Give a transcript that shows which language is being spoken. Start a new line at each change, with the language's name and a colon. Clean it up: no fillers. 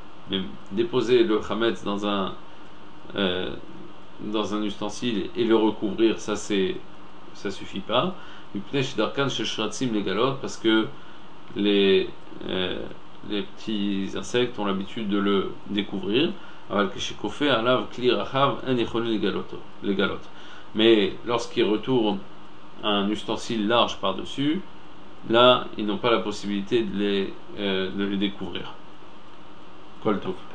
French: Mais déposer le chametz dans un ustensile et le recouvrir, ça suffit pas. Parce que les petits insectes ont l'habitude de le découvrir.
Hebrew: אבל כשכופה עליו כלי רחב, אין יכולים לגלות.
French: Mais lorsqu'il retourne un ustensile large par-dessus, là, ils n'ont pas la possibilité de les découvrir.
Hebrew: Kol tov.